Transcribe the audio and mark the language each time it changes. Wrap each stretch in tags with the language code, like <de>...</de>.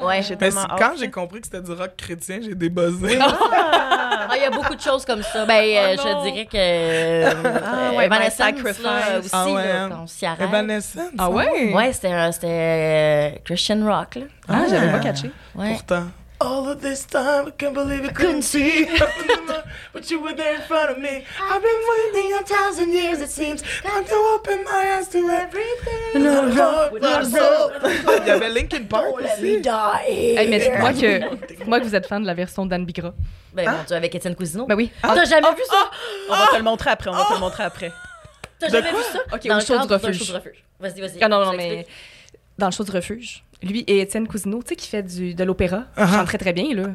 <fr>Ouais. Mais quand j'ai compris que c'était du rock chrétien, j'ai débuzzé. Ah, il y a beaucoup de choses comme ça. Ben, je dirais que. Ah, ouais, Evanescence, Sacrifice là, aussi, ah, ouais. Là, quand on s'y arrête. Evanescence. Ah, ouais. Ouais, ouais c'était Christian rock, là. Ah, ah j'avais pas catché. Ouais. Pourtant.</fr> <en>All of this time, I can't believe it, couldn't see. But you were there in front of me. I've been waiting a thousand years, it seems. Time to open my eyes to everything. No, no, no, no.</en> <fr>Il y avait Linkin Park aussi. Hey, mais dites-moi que, vous êtes fan de la version d'Anne Bigra. Ben, hein? Mon Dieu, avec Étienne Cousineau. Ben oui. Ah, t'as jamais vu ça? On va te le montrer après, T'as jamais vu ça? Ok, au show du refuge. Vas-y. Ah non, mais dans le show du refuge. Lui et Étienne Cousineau, tu sais, qui fait de l'opéra. Uh-huh. Chante très, très bien, là.</fr>